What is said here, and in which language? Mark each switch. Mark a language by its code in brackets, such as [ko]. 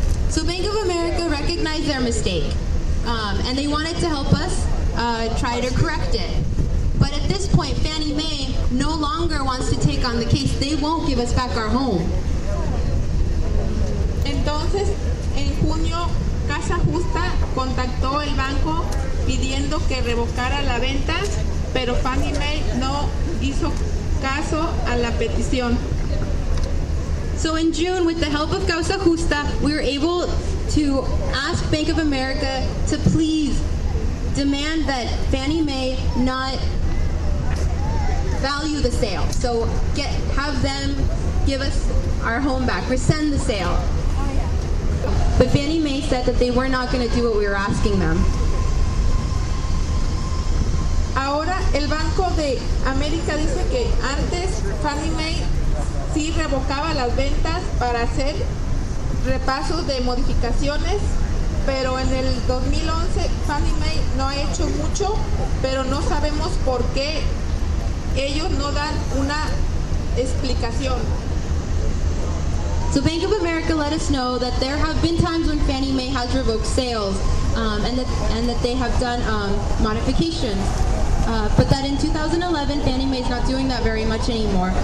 [en] So Bank of America recognized their mistake, and they wanted to help us try to correct it. But at this point, Fannie Mae no longer wants to take on the case. They won't give us back our home. [es] Entonces, en junio, Casa Justa contactó el banco pidiendo que revocara la venta, pero Fannie Mae no hizo caso a la petición. [en] So in June, with the help of Causa Justa, we were able to ask Bank of America to please demand that Fannie Mae not value the sale. So get have them give us our home back, rescind the sale. But Fannie Mae said that they were not going to do what we were asking them. [es] Ahora el Banco de América dice que antes Fannie Mae sí revocaba las ventas para hacer repasos de modificaciones, pero en el 2011 Fannie Mae no ha hecho mucho, pero no sabemos por qué ellos no dan una explicación. [en] So Bank of America let us know that there have been times when Fannie Mae has revoked sales, and that they have done modifications. But that in 2011, Fannie Mae is not doing that very much anymore.